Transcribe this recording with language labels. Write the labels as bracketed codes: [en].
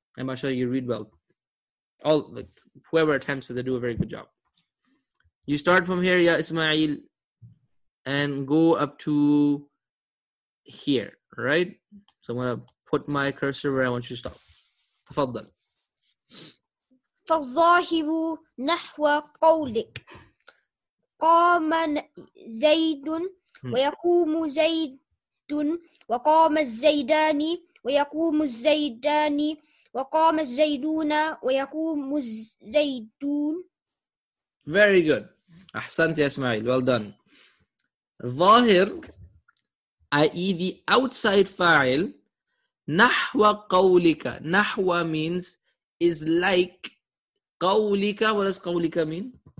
[en] I'm not sure you read well. All like, whoever attempts it, they do a very good job. You start from here, Ya Ismail, and go up to here, right? So I'm going to put my cursor where I want you to stop. Tafaddal. ف... [ar] فالظاهر نحو قولك قام زيد ويقوم زيد وقام الزيدان ويقوم الزيدان وقام الزيدون ويقوم الزيدون. [en] Very good. [ar] أحسنت يا إسماعيل. [en] Well done. ظاهر i.e. the outside [ar] فاعل نحو قولك. [en] نحو means is like قولك. What does قولك mean?